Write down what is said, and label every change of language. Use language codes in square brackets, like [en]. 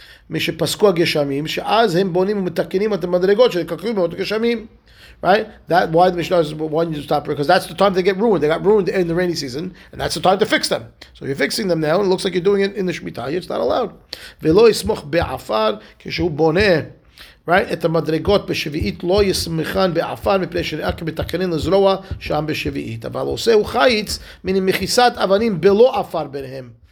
[he] משפסקו הגשמים, שאז הם בונים ומתקנים את המדרגות שקקרו מאות הגשמים. [en] Right? That, why the Mishnah is one you stop, because that's the time they get ruined. They got ruined in the rainy season, and that's the time to fix them. So you're fixing them now, and it looks like you're doing it in the Shemitah. It's not allowed. [he] ולא ישמוך בעפר כשהוא בונה, right? את המדרגות בשביעית לא ישמחן בעפר מפני שנראה כמתקנים לזרוע שם בשביעית. אבל עושהו חייץ מן מכיסת אבנים בלא עפר ביניהם.